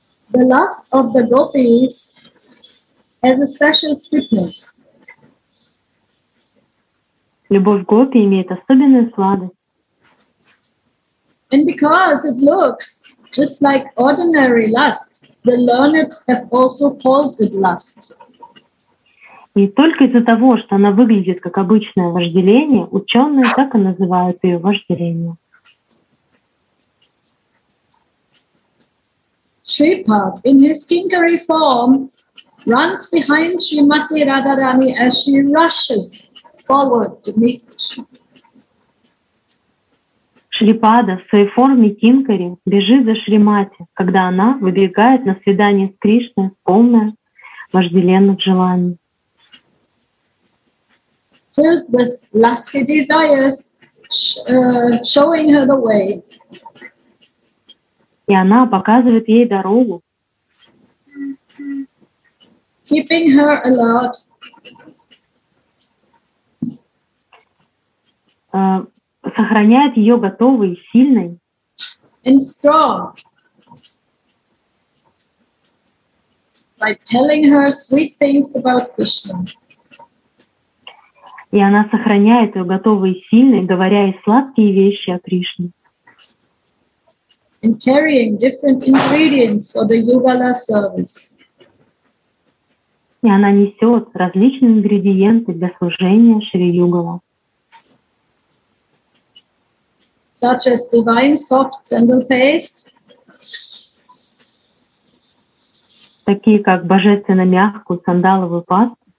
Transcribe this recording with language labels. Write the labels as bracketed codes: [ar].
[en] The love of the gopis has a special sweetness. [ru] Любовь гопи имеет особенную сладость. [en] And because it looks just like ordinary lust, the learned have also called it lust. [ru] И только из-за того, что она выглядит как обычное вожделение, ученые так и называют ее вожделением. [en] Shripad, in his kinkari form, runs behind Shrimati Radharani as she rushes forward to meet. [ru] Шрипада в своей форме кинкари бежит за Шримати, когда она выбегает на свидание с Кришной, полная вожделенных желаний. [en] Filled with lusty desires, showing her the way. [ru] И она показывает ей дорогу. [en] Keeping her alert. [ru] Сохраняет ее готовой и сильной. [en] And strong. By telling her sweet things about Krishna. [ru] И она сохраняет ее готовой и сильной, говоря ей сладкие вещи о Кришне. [en] And carrying different ingredients for the Yugala service. [ru] И она несет различные ингредиенты для служения Шри Югала. [en] Such as divine soft sandal paste. [ru] Такие как божественно мягкую сандаловую пасту.